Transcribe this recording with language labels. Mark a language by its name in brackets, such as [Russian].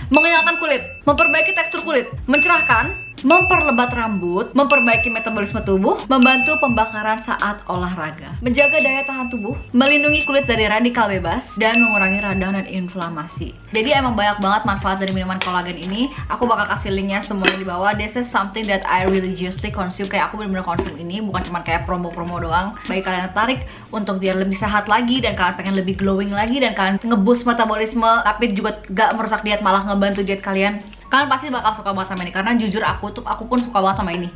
[Indonesian] Mengenyalkan kulit, memperbaiki tekstur kulit, mencerahkan, memperlebat rambut, memperbaiki metabolisme tubuh, membantu pembakaran saat olahraga, menjaga daya tahan tubuh, melindungi kulit dari radikal bebas, dan mengurangi radang dan inflamasi. Jadi emang banyak banget manfaat dari minuman kolagen ini. Aku bakal kasih linknya semuanya di bawah. [English] This is something that I religiously consume. [Indonesian] Kayak aku benar-benar konsum ini, bukan cuma kayak promo-promo doang. Bagi kalian yang tertarik untuk biar lebih sehat lagi dan kalian pengen lebih glowing lagi dan kalian nge-boost metabolisme tapi juga gak merusak diet, malah ngebantu diet kalian, kalian pasti bakal suka banget sama ini, karena jujur aku pun suka banget sama ini.